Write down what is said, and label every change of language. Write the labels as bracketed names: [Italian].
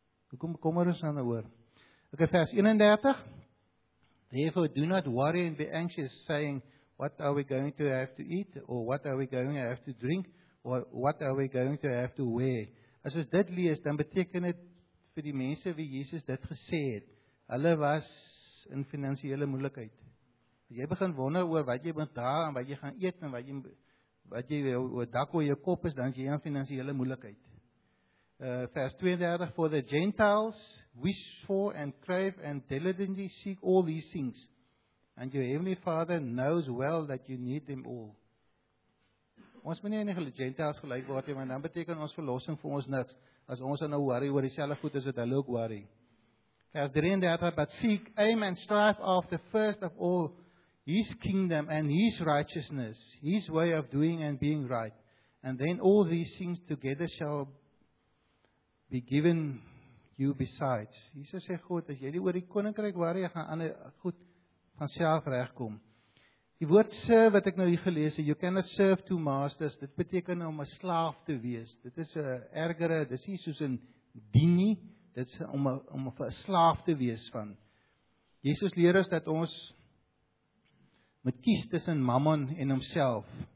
[Afrikaans] Hoekom bekommer ons dan oor? Ok, vers 31. [English] Therefore, do not worry and be anxious, saying, what are we going to have to eat? Or what are we going to have to drink? Or what are we going to have to wear? [Afrikaans] As ons dit lees, dan beteken dit vir die mense wie Jesus dit gesê het. Hulle was in finansiële moeilikheid. Jy begin wonder oor wat jy moet dra en wat jy gaan eet en wat jy oor dak oor jou kop is, dan is jy in finansiële moeilikheid. [English] Vers 32, for the Gentiles wish for and crave and diligently seek all these things, and your heavenly Father knows well that you need them all. [Afrikaans] Ons moet nie in die Gentiles gelyk word nie, want dan beteken ons verlossing vir ons niks, as ons nou worry oor dieselfde goed as wat hulle ook worry. [English] Vers 33, but seek, aim and strive after first of all His kingdom and His righteousness, His way of doing and being right, and then all these things together shall be given you besides. [Afrikaans] Jesus sê, God, as jy nie oor die koninkryk worry, gaan ander goed vanself regkom. Die woord serve wat ek nou hier gelees het, [English] you cannot serve two masters, [Afrikaans] dit beteken om 'n slaaf te wees. Dit is 'n ergere, dis nie soos 'n dien nie, dit is om 'n slaaf te wees van. Jesus leer ons dat ons moet kies tussen Mammon en homself.